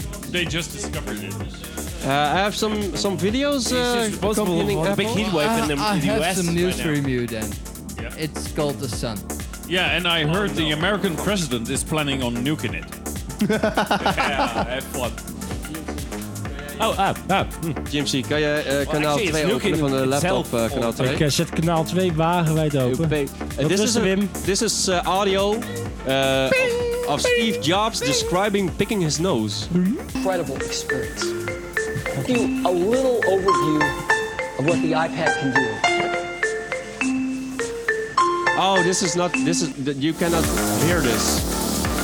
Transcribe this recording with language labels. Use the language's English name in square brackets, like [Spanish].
[English] They just discovered it. I have some videos. It's supposed to be a big heat wave in the US. I have US some news right for you then. Yeah. It's called the sun. Yeah, and I heard the American president is planning on nuking it. Yeah, have fun. Oh, [Dutch] Jim C, kan jij kanaal 2 openen van de laptop? Kanaal 2. Ik zet kanaal 2 wagenwijd open. [English] This is Wim. This is audio of Steve Jobs describing picking his nose. Incredible experience. I'll give you a little overview of what the iPad can do. Oh, this is not. This is. You cannot hear this.